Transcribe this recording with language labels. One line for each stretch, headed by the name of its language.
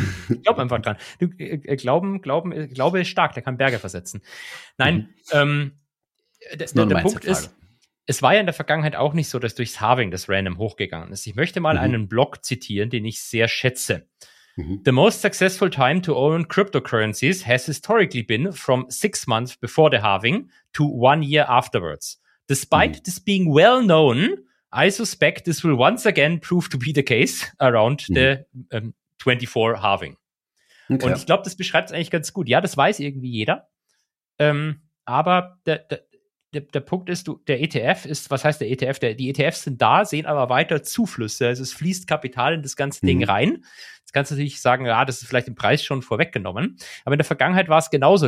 German: Ich glaube einfach dran. Du, glaube ist stark, der kann Berge versetzen. Nein, der Punkt ist, es war ja in der Vergangenheit auch nicht so, dass durchs Halving das random hochgegangen ist. Ich möchte mal einen Blog zitieren, den ich sehr schätze.
English: The most successful time to own cryptocurrencies has historically been from 6 months before the halving to 1 year afterwards. Despite this being well known, I suspect this will once again prove to be the case around the 24 halving.
German: Okay. Und ich glaube, das beschreibt es eigentlich ganz gut. Ja, das weiß irgendwie jeder. Aber der Punkt ist, der ETF ist, was heißt der ETF? Die ETFs sind da, sehen aber weiter Zuflüsse. Also es fließt Kapital in das ganze Ding rein. Jetzt kannst du natürlich sagen, ja, das ist vielleicht den Preis schon vorweggenommen. Aber in der Vergangenheit war es genauso.